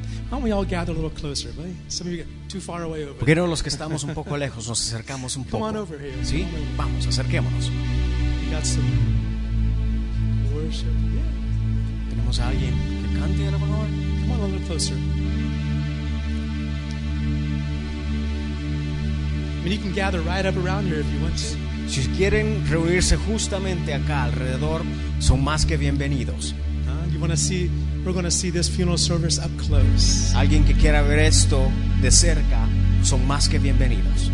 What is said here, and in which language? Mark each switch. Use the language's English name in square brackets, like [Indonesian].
[English] Why don't we all gather a little closer, buddy? Some of you get too far away over. [Spanish] Porque no los que estamos un poco lejos nos acercamos un poco. [English] Come on over here. [Spanish] Sí, vamos, acerquémonos. [English] We got some worship. Yeah. [Spanish] Tenemos a alguien que cante a lo mejor. [English] Come on a little closer. And you can gather right up around here if you want to. [Spanish] Si quieren reunirse justamente acá alrededor, son más que bienvenidos. [English] You want to see? We're going to see this funeral service up close. [Spanish] Alguien que quiera ver esto de cerca, son más que bienvenidos.